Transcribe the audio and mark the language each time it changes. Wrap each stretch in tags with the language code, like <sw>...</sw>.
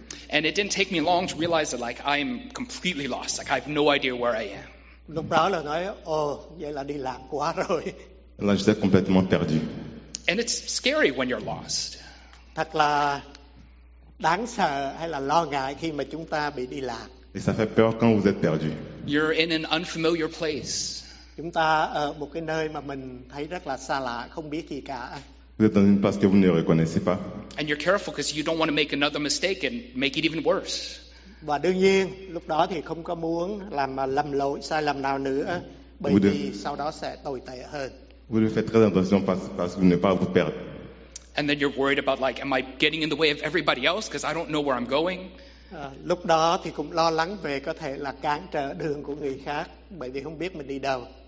<en>And it didn't take me long to realize that like I'm completely lost, like I have no idea where I am.</en> <vi>Lúc đó là nói, oh, vậy là đi lạc quá rồi.</vi> <fr>Là j'étais complètement perdu.</fr> <en>And it's scary when you're lost.</en> <vi>Thật là đáng sợ hay là lo ngại khi mà chúng ta bị đi lạc.</vi> <fr>Et ça fait peur quand vous êtes perdu.</fr> <en>You're in an unfamiliar place.</en> <vi>Chúng ta ở một cái nơi mà mình thấy rất là xa lạ, không biết gì cả.</vi> <fr>Vous êtes dans une place que vous ne reconnaissez pas.</fr> <en>And you're careful because you don't want to make another mistake and make it even worse.</en> <vi>Và đương nhiên, lúc đó thì không có muốn làm lầm lỗi, sai lầm nào nữa, bởi vì sau đó sẽ tồi tệ hơn.</vi> <fr>Vous devez faire très attention parce que vous ne pas vous perdre.</fr> <en>And then you're worried about like, am I getting in the way of everybody else because I don't know where I'm going.</en> <vi>Lúc đó thì cũng lo lắng về có thể là cản trở đường của người khác bởi vì không biết mình đi đâu.</vi>